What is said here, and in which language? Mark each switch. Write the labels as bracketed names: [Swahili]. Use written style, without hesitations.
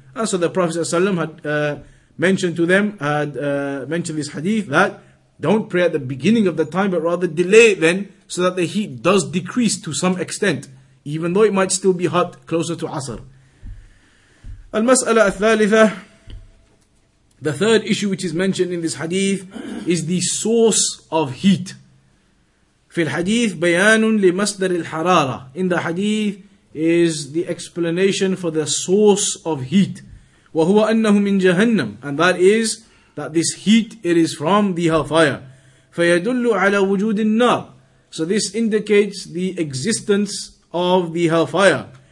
[English] And so the Prophet ﷺ had mentioned this hadith that don't pray at the beginning of the time, but rather delay it then, so that the heat does decrease to some extent, even though it might still be hot closer to Asr. [Arabic] Al-Mas'ala al-Thalitha, [English] the third issue which is mentioned in this hadith is the source of heat. [Arabic] في الحديث بيان لمصدر الحرارة. [English] In the hadith is the explanation for the source of heat. [Arabic] وهو أنه من جهنم. [English] And that is that this heat, it is from the hellfire. [Arabic] فيدل على وجود النار. [English] So this indicates the existence of the hellfire.